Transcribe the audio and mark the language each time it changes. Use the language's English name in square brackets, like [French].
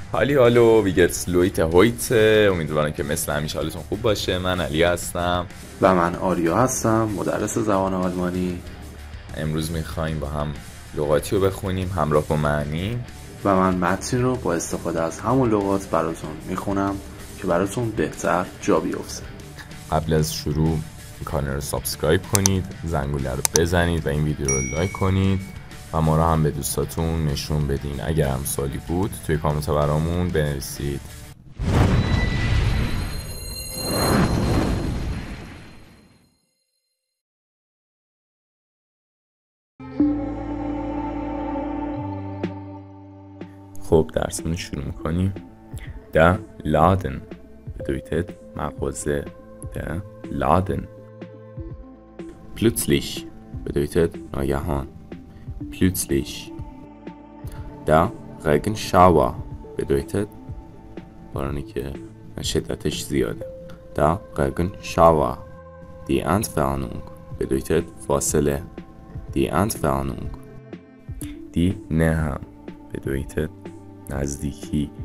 [German] Hallo, wie geht's Leute heute? [Persian] Umidvaram ke mesle hamishe halutun khub bashe. Man Ali hastam. و من آریو هستم، مدرس زبان آلمانی. امروز میخوایم با هم لغاتی رو بخونیم همراه با معنی، و من متن رو با استفاده از همون لغات براتون میخونم که براتون بهتر جا بیفته. قبل از شروع کانال رو سابسکرایب کنید، زنگوله رو بزنید و این ویدیو رو لایک کنید و ما رو هم به دوستاتون نشون بدین. اگر هم سوالی بود توی کامنت برامون بنویسید. خب درسمون شروع میکنیم. [German] Der Laden bedeutet [Persian] مغازه. [German] Der Laden. Plötzlich bedeutet [Persian] ناگهان. [German] Plötzlich. Der Regenschauer bedeutet [Persian] بارانی که شدتش زیاده. [German] Der Regenschauer. Die Entfernung bedeutet [Persian] فاصله. [German] Die Entfernung. Die Nähe bedeutet [Persian] نزدیکی.